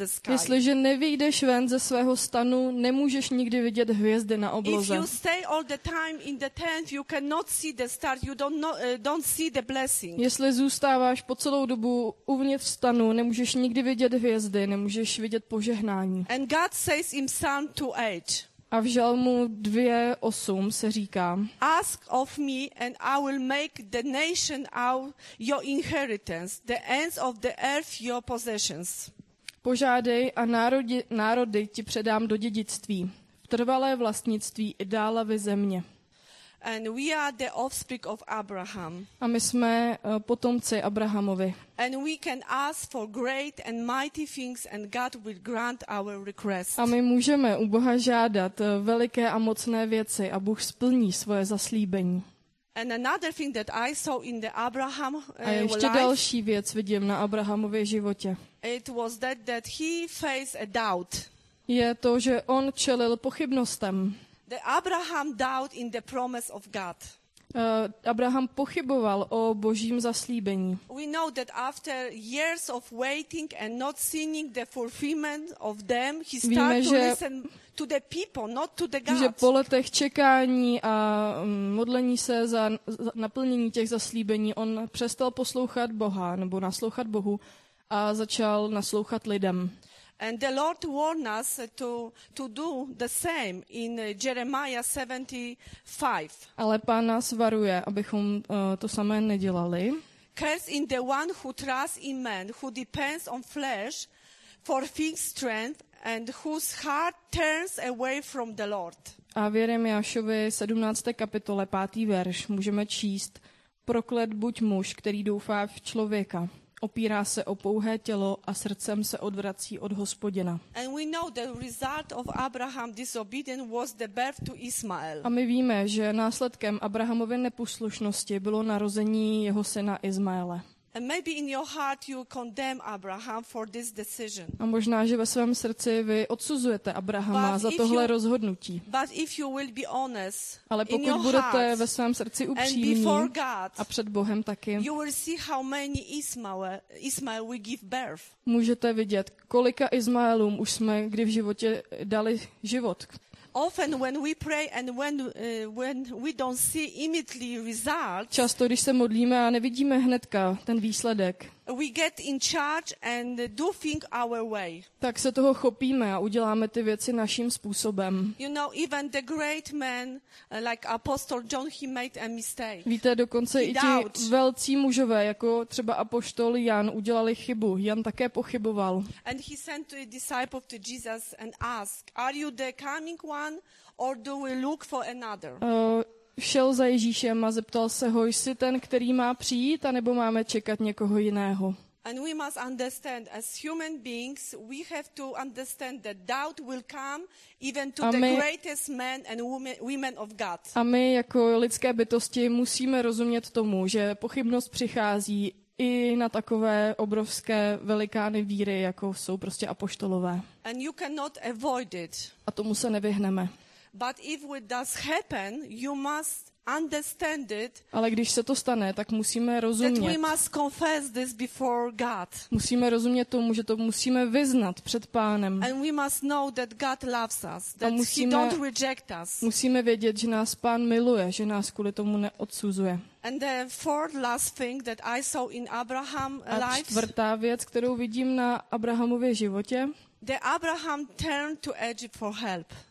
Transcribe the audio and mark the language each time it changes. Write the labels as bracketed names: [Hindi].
[Czech] Jestliže nevyjdeš ven ze svého stanu, nemůžeš nikdy vidět hvězdy na obloze. [English] If you stay all the time in the tent, you cannot see the stars, you don't see the blessing. [Czech] Jestli zůstáváš po celou dobu uvnitř stanu, nemůžeš nikdy vidět hvězdy, nemůžeš vidět požehnání. [English] And God says in Psalm 2:8. [Czech] A v Žalmu 2:8 se říká: [English] Ask of me and I will make the nation out your inheritance, the ends of the earth your possessions. [Czech] Požádej a národy ti předám do dědictví, v trvalé vlastnictví i dále vy země. [English] And we are the offspring of Abraham. [Czech] A my jsme potomci Abrahamovi. [English] And we can ask for great and mighty things and God will grant our request. [Czech] A my můžeme u Boha žádat veliké a mocné věci a Bůh splní svoje zaslíbení. [English] And another thing that I saw in the Abraham life. [Czech] A ještě další věc vidím na Abrahamově životě. [English] It was that he faced a doubt. [Czech] Je to, že on čelil pochybnostem. [English] The Abraham doubt in the promise of God. [Czech] Abraham pochyboval o Božím zaslíbení. [English] We know that after years of waiting and not seeing the fulfillment of them, he started to listen to the people, not to the God. [Czech] Že po letech čekání a modlení se za naplnění těch zaslíbení, on přestal poslouchat Boha nebo naslouchat Bohu a začal naslouchat lidem. [English] And the Lord warned us to do the same in Jeremiah 75. [Czech] Ale Pán nás varuje, abychom to samé nedělali. [English] Curse in the one who trusts in man, who depends on flesh for fixed strength and whose heart turns away from the Lord. [Czech] A v Jeremiášovi 17. kapitole 5. verš můžeme číst: Proklet buď muž, který doufá v člověka, opírá se o pouhé tělo a srdcem se odvrací od Hospodina. [English] And we know the result of Abraham's disobedience was the birth to Ismael. [Czech] A my víme, že následkem Abrahamovy neposlušnosti bylo narození jeho syna Ismaele. [English] And maybe in your heart you condemn Abraham for this decision. [Czech] A možná, že ve svém srdci vy odsuzujete Abrahama za tohle rozhodnutí. [English] But if you will be honest, [Czech] ale pokud budete ve svém srdci upřímní [English] God, [Czech] a před Bohem taky, [English] you will see how many Ismael we give birth. [Czech] Můžete vidět, kolika Ismaelům už jsme kdy v životě dali život. [English] Often when we pray and when we don't see immediately result. [Czech] Často když se modlíme a nevidíme hnedka ten výsledek. [English] We get in charge and do things our way. [Czech] Tak se toho chopíme a uděláme ty věci naším způsobem. [English] You know, even the great man like apostle John, he made a mistake. [Czech] Víte, dokonce i ti velcí mužové, jako třeba apoštol Jan, udělali chybu. Jan také pochyboval. [English] And he sent the disciple to Jesus and asked, "Are you the coming one or do we look for another?" [Czech] Šel za Ježíšem a zeptal se ho, jsi ten, který má přijít, anebo máme čekat někoho jiného. [English] And we must understand as human beings we have to understand that doubt will come even to the greatest men and women of God. [Czech] A my jako lidské bytosti musíme rozumět tomu, že pochybnost přichází i na takové obrovské velikány víry, jako jsou prostě apoštolové. [English] And you cannot avoid it. [Czech] A tomu se nevyhneme. [English] But if it does happen, you must understand it. [Czech] Ale když se to stane, tak musíme rozumět. [English] That we must confess this before God. [Czech] Musíme rozumět tomu, že to musíme vyznat před Pánem. [English] And we must know that God loves us, that he don't reject us. [Czech] Musíme vědět, že nás Pán miluje, že nás kvůli tomu neodsuzuje. [English] And the fourth last thing that I saw in Abraham's life. [Czech] A čtvrtá věc, kterou vidím na Abrahamově životě. [English] The Abraham turned to Egypt for help.